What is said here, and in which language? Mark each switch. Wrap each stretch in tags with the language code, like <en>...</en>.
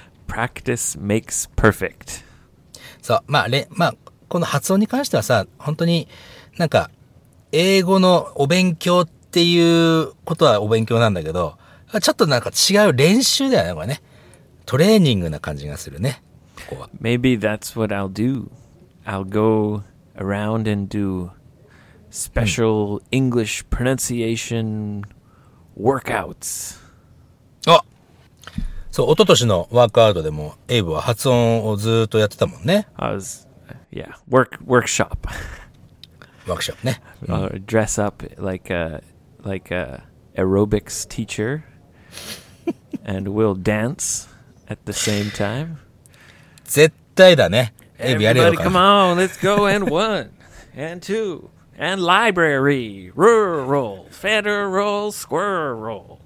<en>Practice makes perfect.</en> <ja>そう、まあ、この発音に関してはさ、本当になんか英語のお勉強っていうことはお勉強なんだけど、ちょっとなんか違う練習だよね、これね。トレーニングな感じがするね、ここは。</ja> <en>Maybe that's what I'll do. I'll go around and do special English pronunciation workouts.</en> <ja>あ、そう、一昨年のワークアウトでもエイブは発音をずっとやってたもんね。</ja> <en>Workshop.</en> <ja>Workshop ね。</ja> <en>I'll dress up like a aerobics teacher. And we'll dance at the same time.</en> <ja>絶対だね。エビやれよ。</ja> <en>Everybody, come on, let's go. And one, and two, and library, rural, federal, squirrel.</en>